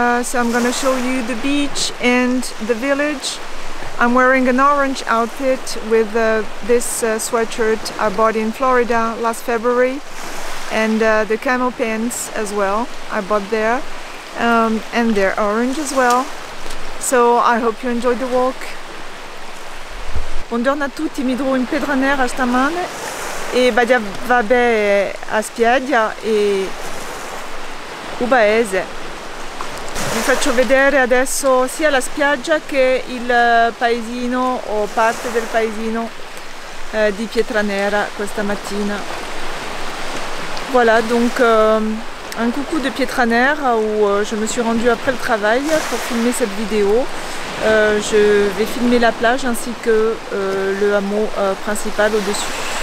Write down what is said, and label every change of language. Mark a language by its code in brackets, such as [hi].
[en] So I'm going to show you the beach and the village. I'm wearing an orange outfit with this sweatshirt I bought in Florida last February, and the camo pants as well I bought there, and they're orange as well. So I hope you enjoyed the walk. [it] Buongiorno a tutti, mi trovo in Pietranera stamane e vado a spiaggia e Ubaese. Vi faccio vedere adesso sia la spiaggia che il paesino o parte del paesino di Pietranera questa mattina. [fr] Voilà, donc un coucou de Pietranera où je me suis rendue après le travail pour filmer cette vidéo. Je vais filmer la plage ainsi que le hameau principal au-dessus.